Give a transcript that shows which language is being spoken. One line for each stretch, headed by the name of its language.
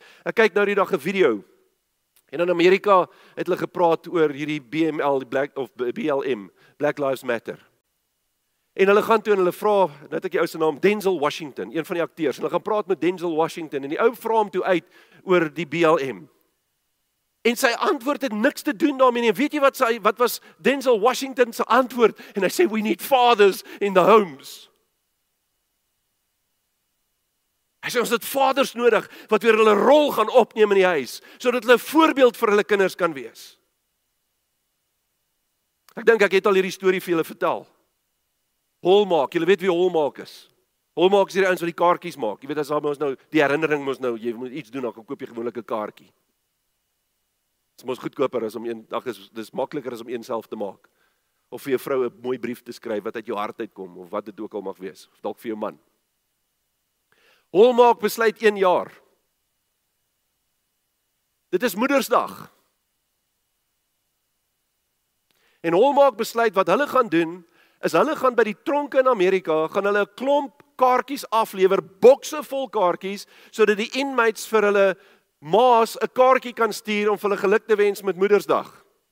Afrikaans: Ek kyk nou die dag 'n video, en in Amerika het hulle gepraat oor hierdie BLM, Black Lives Matter. En hulle gaan toe en hulle vra, nou het ek die ou se naam, Denzel Washington, een van die akteurs. Hulle gaan praat met Denzel Washington en die ou vra hom toe uit oor die BLM. En sy antwoord het niks te doen daarmee nie. Weet jy wat was Denzel Washington se antwoord? En hy sê,
English: we need fathers in the homes.
Afrikaans: Hy sê, ons het vaders nodig wat weer hulle rol gaan opneem in die huis, sodat hulle voorbeeld vir hulle kinders kan wees. Ek dink ek het al hierdie storie vir julle vertel. Hallmark, julle weet wie Hallmark is. Hallmark is hierdie ouens wat die kaartjies maak. Jy weet as ons nou die herinnering moet nou jy moet iets doen dan koop jy gewoonlik 'n kaartjie. Dit is mos goedkoper as om een dag is dis makliker as om een self te maak. Of vir jou vrou 'n mooi brief te skryf wat uit jou hart uitkom of wat dit ook al mag wees of dalk vir jou man. Hallmark besluit 1 jaar. Dit is Moedersdag. En Hallmark besluit wat hulle gaan doen, is hulle gaan by die tronke in Amerika, gaan hulle 'n klomp kaartjies aflewer, bokse vol kaartjies, sodat die inmates vir hulle ma's 'n kaartjie kan stuur om vir hulle geluk te wens met Moedersdag.